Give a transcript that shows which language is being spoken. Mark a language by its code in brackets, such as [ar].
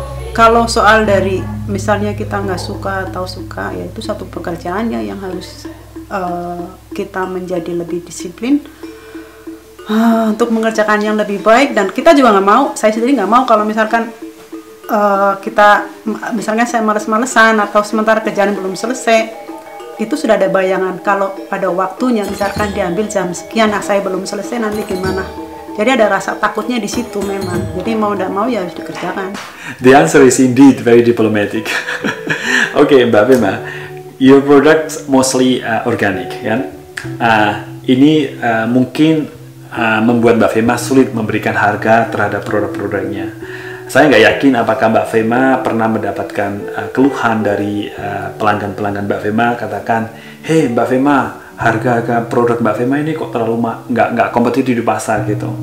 [id] Kalau soal dari misalnya kita nggak suka atau suka, ya itu satu pekerjaannya yang harus kita menjadi lebih disiplin untuk mengerjakan yang lebih baik, dan kita juga nggak mau, saya sendiri nggak mau kalau misalkan kita misalnya saya males-malesan atau sementara kerjaan belum selesai, itu sudah ada bayangan kalau pada waktunya misalkan diambil jam sekian, nah saya belum selesai nanti gimana. Jadi ada rasa takutnya di situ memang. Jadi mau tidak mau ya harus dikerjakan. [en] The answer is indeed very diplomatic. Okay, Mbak Fema, your products mostly organic, kan? [id] Ini mungkin membuat Mbak Fema sulit memberikan harga terhadap produk-produknya. Saya nggak yakin apakah Mbak Fema pernah mendapatkan keluhan dari pelanggan-pelanggan Mbak Fema, katakan, hey Mbak Fema, harga-harga produk Mbak Fema ini kok terlalu nggak kompetitif di pasar gitu.